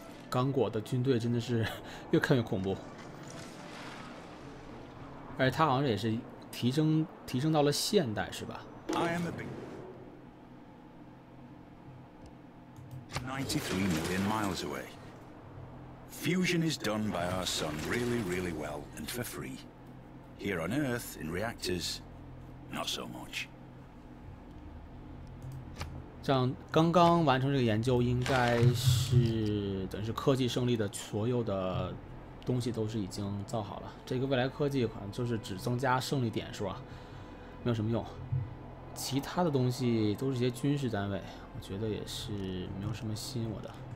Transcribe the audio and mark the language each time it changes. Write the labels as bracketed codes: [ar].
[zh] 刚果的军队真的是越看越恐怖，而且他好像也是提升到了现代，是吧？ [en] 93 million miles away, fusion is done by our sun really, really well and for free. Here on Earth, in reactors, not so much. [zh] 像刚刚完成这个研究，应该是。等于是科技胜利的所有的东西都是已经造好了，这个未来科技可能就是只增加胜利点数啊，没有什么用。其他的东西都是一些军事单位，我觉得也是没有什么吸引我的。